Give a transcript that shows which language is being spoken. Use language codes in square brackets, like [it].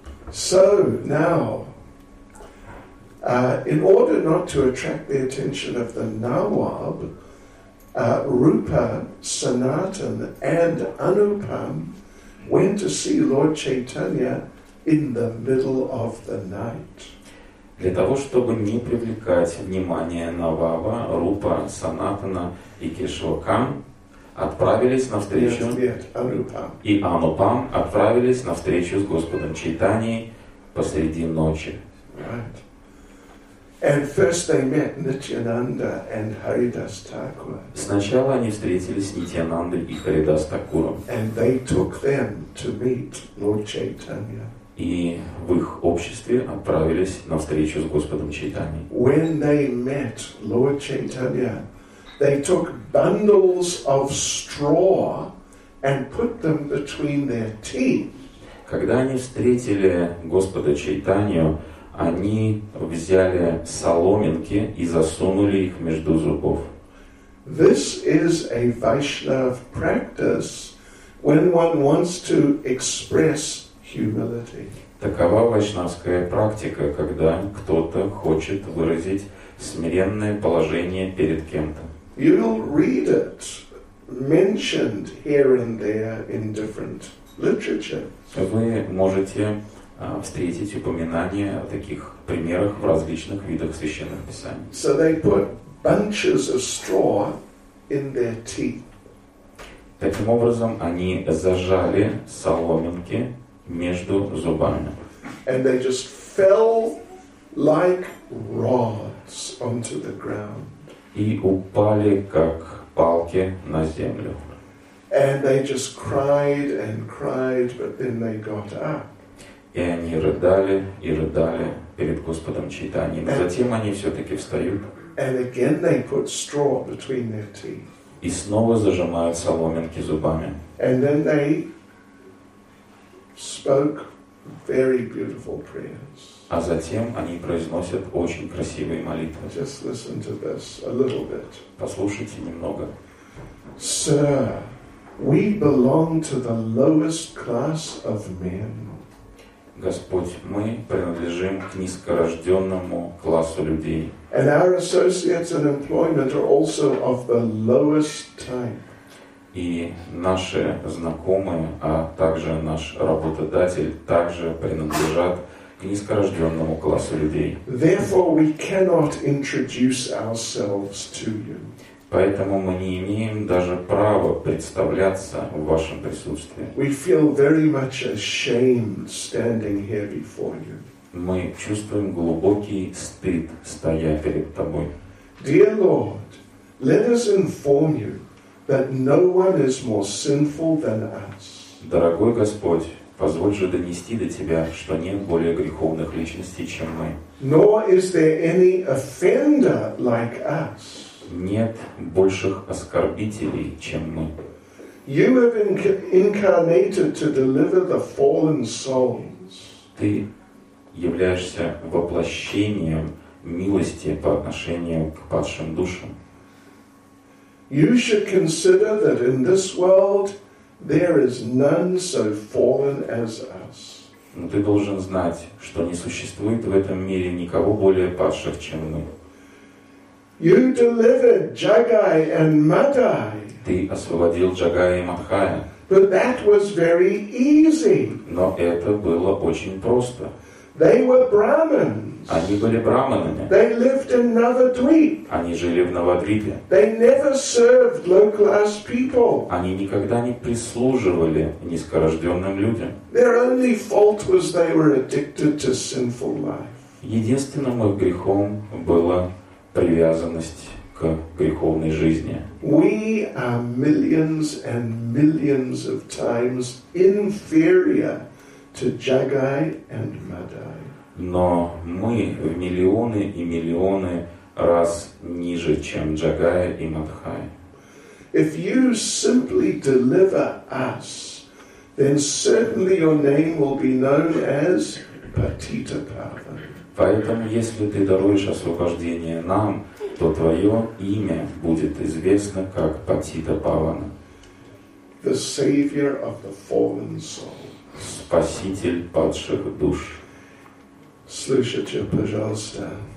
[en] So now, in order not to attract the attention of the Nawab. Rupa, Sanatan, and Anupam went to see Lord Chaitanya in the middle of the night. [ru] Для того, чтобы не привлекать внимание Навава, Рупа, Санатана и Кешавакан отправились навстречу. Нет, Анупам. И Анупам отправились навстречу с Господом Чайтаньей посреди ночи. [en] Right. And first they met Nityananda and Haridas Thakura. [ru] Сначала они встретились с Нитьянандой и Харидас Такуром. [en] And they took them to meet Lord Chaitanya. [ru] И в их обществе отправились на встречу с Господом Чайтаньей. [en] When they met Lord Chaitanya, they took bundles of straw and put them between their teeth. [ru] Когда они встретили Господа Чайтанью, они взяли соломинки и засунули их между зубов. [en] This is a Vaishnava practice when one wants to express humility. [ru] Такова вайшнавская практика, когда кто-то хочет выразить смиренное положение перед кем-то. [en] You'll read it mentioned here and there in different literature. [ru] Вы можете встретить упоминания о таких примерах в различных видах священных писаний. [en] So they put bunches of straw in their teeth. [ru] Таким образом, они зажали соломинки между зубами. [en] And they just fell like rods onto the ground. [ru] И упали как палки на землю. [en] And they just cried and cried, but then they got up. [ru] И они рыдали и рыдали перед Господом Чайтаньей. Но затем они все-таки встают. [en] And again they put straw between their teeth. [ru] И снова зажимают соломинки зубами. [en] And then they spoke very beautiful prayers. [ru] А затем они произносят очень красивые молитвы. [en] Just listen to this a little bit. [ru] Послушайте немного. [en] Sir, we belong to the lowest class of men. [ru] Господь, мы принадлежим к низкорожденному классу людей. [en] And our associates and employment are also of the lowest type. [ru] И наши знакомые, а также наш работодатель, также принадлежат к низкорожденному классу людей. [en] Therefore, we cannot introduce ourselves to you. [ru] Поэтому мы не имеем даже права представляться в вашем присутствии. [en] We feel very much ashamed standing here before you. [ru] Мы чувствуем глубокий стыд, стоя перед тобой. [en] Dear Lord, let us inform you that no one is more sinful than us. [ru] Дорогой Господь, позволь же донести до тебя, что нет более греховных личностей, чем мы. [en] Nor is there any offender like us. [ru] Нет больших оскорбителей, чем мы. [en] You have been incarnated to deliver the fallen souls. [ru] Ты являешься воплощением милости по отношению к падшим душам. [en] You should consider that in this world there is none so fallen as us. [ru] Но ты должен знать, что не существует в этом мире никого более падших, чем мы. [en] You delivered Jagai and Madhai. [ru] Ты освободил Джагая и Мадхая. [en] But that was very easy. [ru] Но это было очень просто. [en] They were Brahmins. [ru] Они были браманами. [en] They lived in Navadvip. [ru] Они жили в Навадвипе. [en] They never served low-class people. [ru] Они никогда не прислуживали низкорожденным людям. [en] Their only fault was they were addicted to sinful life. [ru] Единственным их грехом было привязанность к греховной жизни. [en] We are millions and millions of times inferior to Jagai and Madhai. [ru] Но мы в миллионы и миллионы раз ниже, чем Джагая и Мадхай. [en] If you simply deliver us, then certainly your name will be known as Patitapava. [ru] Поэтому, если ты даруешь освобождение нам, то твое имя будет известно как Патита Павана. [en] The savior of the fallen soul. [ru] Спаситель падших душ. Слушайте, пожалуйста.